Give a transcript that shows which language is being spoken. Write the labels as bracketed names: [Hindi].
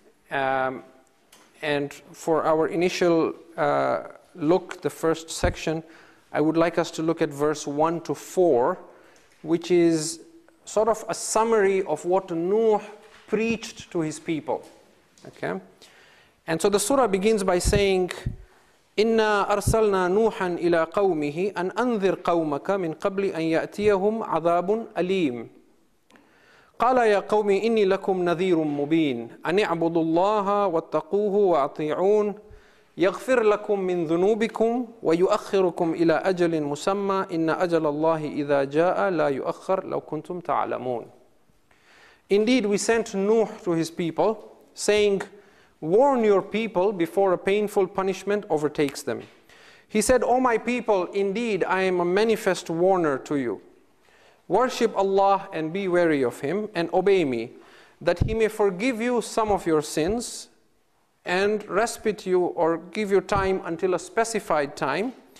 [English] And for our initial look, the first section, I would like us to look at verse 1 to 4, which is sort of a summary of what Nuh preached to his people. Okay? And so the surah begins by saying, [Arabic] إِنَّا أَرْسَلْنَا نُوحًا إِلَىٰ قَوْمِهِ أَنْ أَنْذِرْ قَوْمَكَ مِنْ قَبْلِ أَنْ يَأْتِيَهُمْ عَذَابٌ أَلِيمٌ قَالَ يَا قَوْمِ إِنِّي لَكُمْ نَذِيرٌ مُبِينٌ أَنِ اعْبُدُوا اللَّهَ وَاتَّقُوهُ وَأَطِيعُونَ يَغْفِرْ لَكُمْ مِنْ ذُنُوبِكُمْ وَيُؤَخِّرُكُمْ إِلَىٰ أَجَلٍ مُسَمَّى إِنَّ أَجَلَ اللَّهِ إِذَا جَاءَ لَا يُؤَخَّرْ لَوْ كُنْتُمْ تَعْلَمُونَ. [English] Indeed, we sent Nuh to his people, saying, warn your people before a painful punishment overtakes them. He said, O my people, indeed I am a manifest warner to you. Worship Allah and be wary of him and obey me, that he may forgive you some of your sins and respite you or give you time until a specified time.